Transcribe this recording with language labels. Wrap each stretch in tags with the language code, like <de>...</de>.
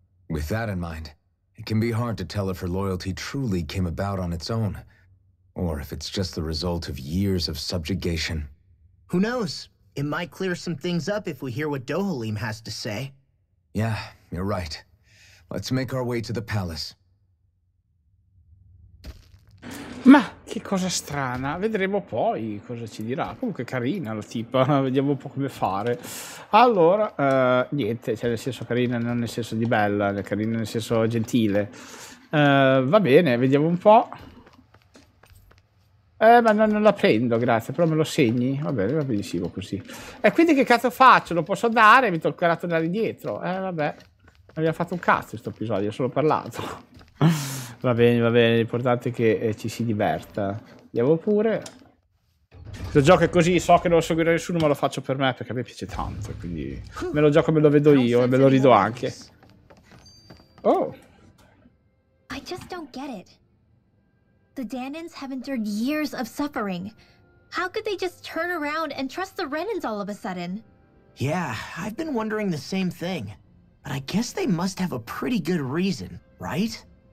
<en>With that in mind, it can be hard to tell if her loyalty truly came about on its own, or if it's just the result of years of subjugation. Who knows? It might clear some things up if we hear what Dohalim has to say. Yeah, you're right. Let's make our way to the palace.</en> <it>Ma che cosa strana, vedremo poi cosa ci dirà. Comunque carina la tipa, vediamo un po' come fare. Allora, niente, cioè nel senso carina non nel senso di bella, carina nel senso gentile. Va bene, vediamo un po'. Ma non la prendo, grazie, però me lo segni? Va bene, va benissimo così. E quindi che cazzo faccio? Lo posso dare? Mi toccherà tornare indietro. Vabbè, non abbiamo fatto un cazzo questo episodio, ho solo parlato. va bene, l'importante è che ci si diverta. Andiamo pure. Lo gioco è così, so che non lo seguirà nessuno, ma lo faccio per me perché a me piace tanto. Quindi me lo gioco, me lo vedo io e me lo rido anche. Oh!</it> <en>I just don't get it. The Danons have endured years of suffering. How could they just turn around and trust the Renins all of a sudden? Yeah, I've been wondering the same thing. But I guess they must have a pretty good reason, right?</en>